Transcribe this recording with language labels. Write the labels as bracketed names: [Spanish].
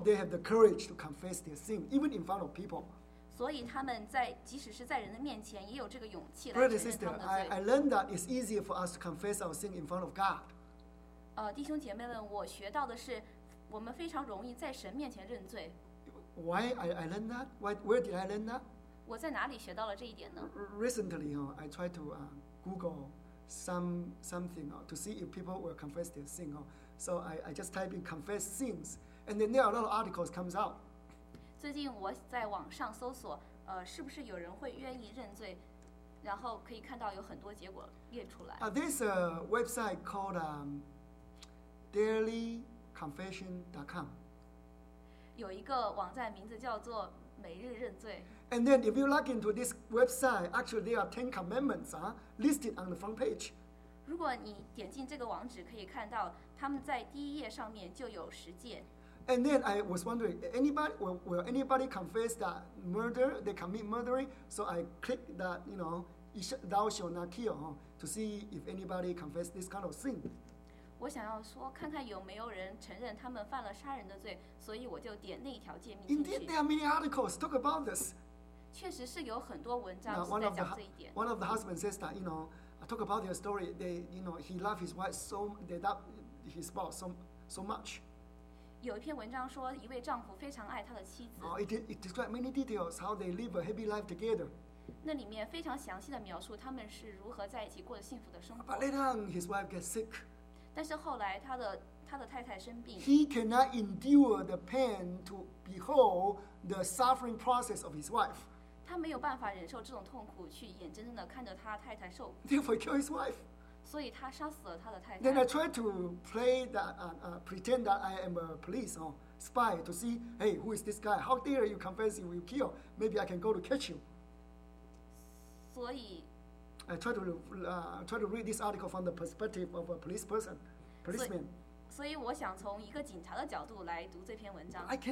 [English] So they have the courage to confess their sin, even in front of people. [Chinese] 所以他们在即使是在人的面前，也有这个勇气来承认他们的罪。 [English] Brother and sister, I learned that it's easier for us to confess our sin in front of God. [Chinese] 弟兄姐妹们，我学到的是，我们非常容易在神面前认罪。 [English] Why I learned that? Why where did I learn that? [Chinese] 我在哪里学到了这一点呢 [English] ？Recently, I tried to Google something to see if people will confess their sin. So I just type in confess sins, and then there are a lot of articles comes out. [Chinese] 最近我在网上搜索，是不是有人会愿意认罪，然后可以看到有很多结果列出来。 [English] There's a website called dailyconfession.com. [Chinese] 有一个网站名字叫做每日认罪。 [English] And then if you log into this website, actually there are 10 commandments listed on the front page. [Chinese] 如果你点进这个网址，可以看到他们在第一页上面就有十诫。 [English] And then I was wondering, will anybody confess that murder, they commit murdering? So I clicked that, you know, thou shall not kill, to see if anybody confess this kind of sin. [Chinese] 我想要说看看有没有人承认他们犯了杀人的罪，所以我就点那一条诫命进去。 [English] Indeed, there are many articles talk about this. [Chinese] 确实是有很多文章是在讲这一点。 [English] One of the husband says that, you know, talk about their story. They, you know, he loved his wife so, they loved his spouse so much. [Chinese] 有一篇文章说，一位丈夫非常爱他的妻子。 [English] Oh, it describes many details how they live a happy life together. [Chinese] 那里面非常详细的描述他们是如何在一起过着幸福的生活。 [English] But later on, his wife gets sick. [Chinese] 但是后来他的太太生病。 [English] He cannot endure the pain to behold the suffering process of his wife. [Chinese] 他没有办法忍受这种痛苦，去眼睁睁地看着他太太受苦。 [English] Therefore, kill his wife. [Chinese] 所以他杀死了他的太太。 [English] Then I try to play that, pretend that I am a police or spy to see, hey, who is this guy? How dare you confess you will kill? Maybe I can go to catch you. [Chinese] 所以 [English] I try to read this article from the perspective of a police person, policeman. [Chinese] 所以我想从一个警察的角度来读这篇文章。